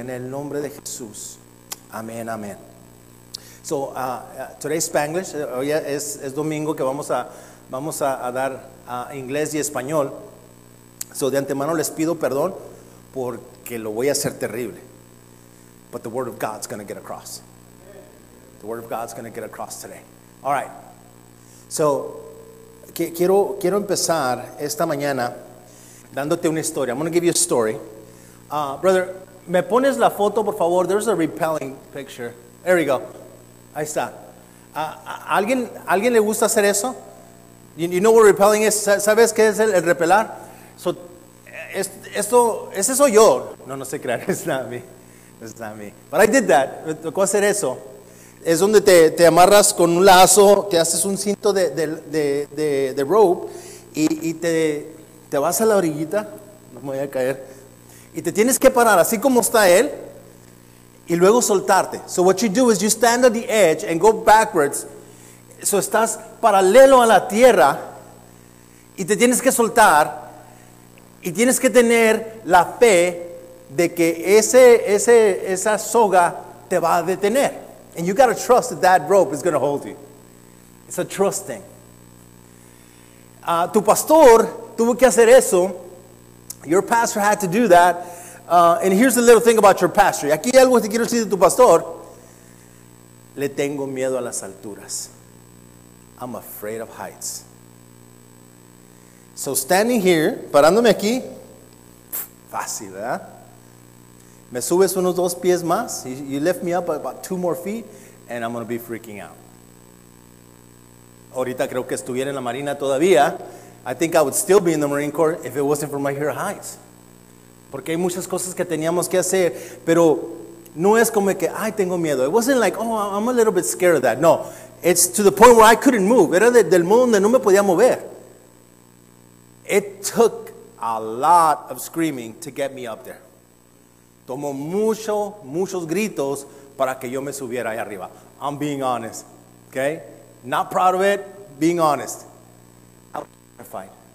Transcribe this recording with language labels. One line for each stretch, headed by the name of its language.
Spanish: En el nombre de Jesús. Amén, amén.
English: So, today's Spanglish.
Spanish: Hoy es domingo que vamos a dar inglés y español. So, de antemano les pido perdón porque lo voy a hacer terrible.
English: But the word of God's going to get across. The word of God's going to get across today. All right.
Spanish: So, quiero empezar esta mañana dándote una historia.
English: I'm going to give you a story. Brother,
Spanish: ¿me pones la foto, por favor?
English: There's a repelling picture. There we go.
Spanish: Ahí está. ¿Alguien le gusta hacer eso?
English: You know what repelling is?
Spanish: ¿Sabes qué es el repelar? So, ¿es eso yo? No sé creer.
English: It's not me. It's not me. But I did that.
Spanish: Me tocó hacer eso. Es donde te amarras con un lazo, te haces un cinto de rope y te vas a la orillita. No me voy a caer. Y te tienes que parar así como está él y luego soltarte.
English: So what you do is you stand at the edge and go backwards.
Spanish: So estás paralelo a la tierra y te tienes que soltar y tienes que tener la fe de que esa soga te va a detener.
English: And you got to trust that rope is going to hold you. It's a trust thing.
Spanish: Tu pastor tuvo que hacer eso.
English: Your pastor had to do that. And here's a little thing about your pastor.
Spanish: Y aquí algo que quiero decir de tu pastor. Le tengo miedo a las alturas.
English: I'm afraid of heights. So standing here,
Spanish: parándome aquí, fácil, ¿verdad? Me subes unos dos pies más.
English: You lift me up about two more feet, and I'm going to be freaking out.
Spanish: Ahorita creo que estuviera en la Marina todavía.
English: I think I would still be in the Marine Corps if it wasn't for my hair heights.
Spanish: Porque hay muchas cosas que teníamos que hacer, pero no es como que, ay, tengo miedo.
English: It wasn't like, oh, I'm a little bit scared of that. No, it's to the point where I couldn't move.
Spanish: Era del modo donde no me podía mover.
English: It took a lot of screaming to get me up there.
Spanish: Tomó muchos gritos para que yo me subiera ahí arriba.
English: I'm being honest, okay? Not proud of it, being honest. I was terrified.